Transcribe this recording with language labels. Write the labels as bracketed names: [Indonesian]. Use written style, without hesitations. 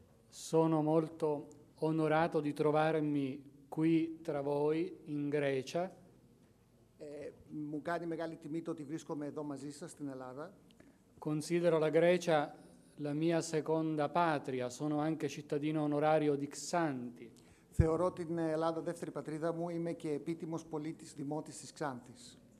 [Italian] Sono molto onorato di trovarmi qui tra voi in Grecia. [Greek] Mi κάνει μεγάλη τιμή το ότι βρίσκομαι εδώ μαζί σας στην Ελλάδα. [Italian] Considero la Grecia la mia seconda patria. Sono anche cittadino onorario di Xanti. [Greek] Θεωρώ την Ελλάδα δεύτερη πατρίδα μου. Είμαι και επίτιμος πολίτης δημότης της Ξάνθης.